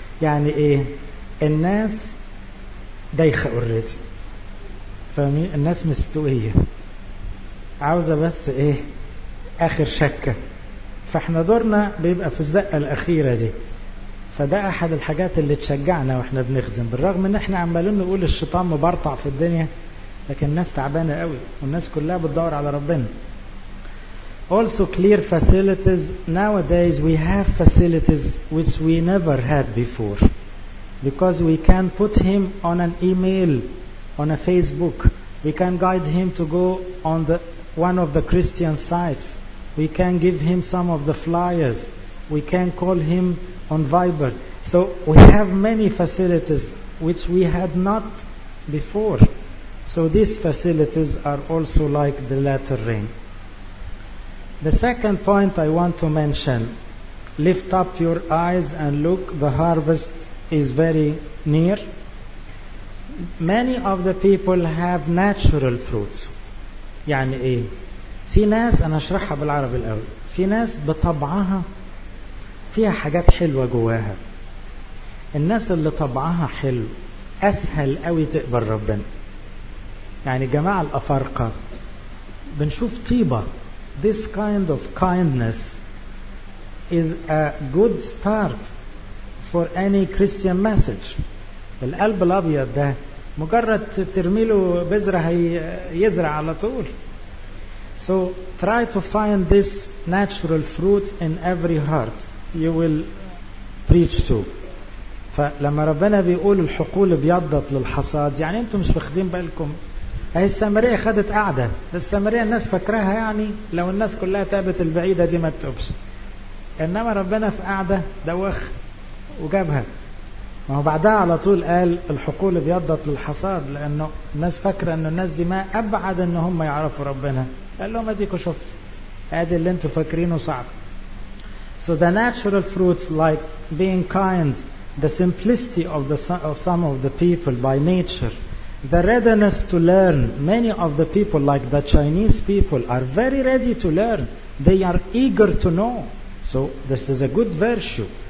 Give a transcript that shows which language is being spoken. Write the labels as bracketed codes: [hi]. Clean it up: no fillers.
[ar] يعني ايه؟ الناس دايخة اوريدي فاهمين؟ الناس مستوية عاوزة بس ايه؟ اخر شكة فاحنا دورنا بيبقى في الزقة الأخيرة دي. فده أحد الحاجات اللي تشجعنا وإحنا بنخدم، بالرغم إن إحنا عمالين نقول الشيطان مبرطع في الدنيا، لكن الناس تعبانة قوي والناس كلها بتدور على ربنا. [en] Also clear facilities. Nowadays we have facilities which we never had before, because we can put him on an email, on a Facebook. We can guide him to go on the one of the Christian sites. We can give him some of the flyers. We can call him on Viber. So we have many facilities which we had not before. So these facilities are also like the latter rain. The second point I want to mention, lift up your eyes and look, the harvest is very near. Many of the people have natural fruits. [ar] يعني ايه؟ في ناس، انا اشرحها بالعربي الاول، في ناس بطبعها فيها حاجات حلوة جواها. الناس اللي طبعها حلو اسهل قوي تقبل ربنا. يعني جماعة الافارقة بنشوف طيبة. [en] This kind of kindness is a good start for any Christian message. [ar] القلب الابيض ده مجرد ترميله بذرة هيزرع على طول. [en] So try to find this natural fruit in every heart you will preach to. [ar] فلما ربنا بيقول الحقول بيضت للحصاد، يعني انتم مش واخدين بالكم، هي السامرية خدت قعدة. السامرية الناس فكرها يعني لو الناس كلها تابت البعيدة دي ما تتوبش، انما ربنا في قعدة دوخ وجابها. ما هو بعدها على طول قال الحقول بيضت للحصاد، لانه الناس فكرة ان الناس دي ما ابعد ان هم يعرفوا ربنا. قال لهم اديكوا شفت، ادي اللي انتوا فاكرينه صعب. [en] So the natural fruits like being kind, the simplicity of some of the people by nature, the readiness to learn. Many of the people, like the Chinese people, are very ready to learn. They are eager to know. So this is a good virtue.